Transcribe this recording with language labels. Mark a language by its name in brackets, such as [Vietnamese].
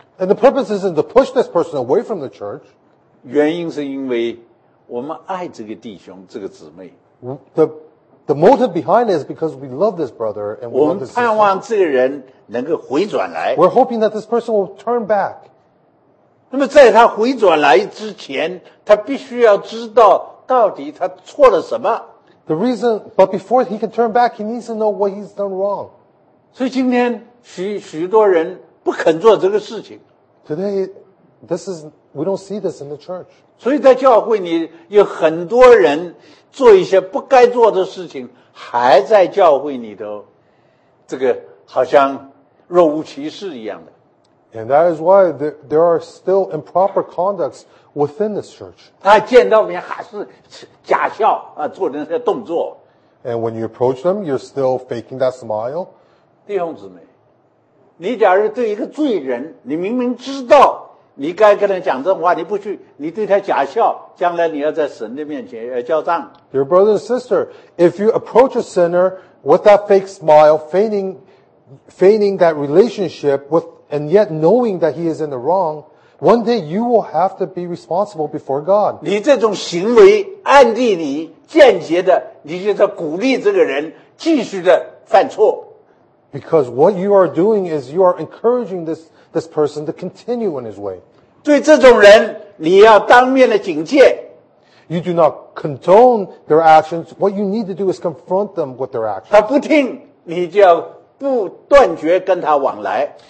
[English] And the purpose isn't to push this person away from the church. [Chinese] 原因是因为我们爱这个弟兄这个姊妹。 [English] The motive behind it is because we love this brother and we love this sister. [Chinese] 我们盼望这个人能够回转来。 [English] We're hoping that this person will turn back. [Chinese] 那么在他回转来之前，他必须要知道到底他错了什么。 [English] The reason, but before he can turn back, he needs to know what he's done wrong. [Chinese] 所以今天许多人不肯做这个事情。 [English] Today, we don't see this in the church. [Chinese] 所以在教会里有很多人做一些不该做的事情，还在教会里头，这个好像若无其事一样的。 [English] And that is why there are still improper conducts within this church. [Chinese] 他见到面还是假笑啊，做那些动作。 [English] And when you approach them, you're still faking that smile. [Chinese] 弟兄姊妹，你假如对一个罪人，你明明知道你该跟他讲真话，你不去，你对他假笑，将来你要在神的面前要交账。 [English] Dear brother and sister, if you approach a sinner with that fake smile, feigning that relationship withAnd yet knowing that he is in the wrong, one day you will have to be responsible before God. [Chinese] 你这种行为暗地里间接的，你就在鼓励这个人继续的犯错。 [English] Because what you are doing is you are encouraging this person to continue in his way. [Chinese] 对这种人，你要当面的警戒。 [English] You do not condone their actions. What you need to do is confront them with their actions. [Chinese] 他不听，你就要不断绝跟他往来。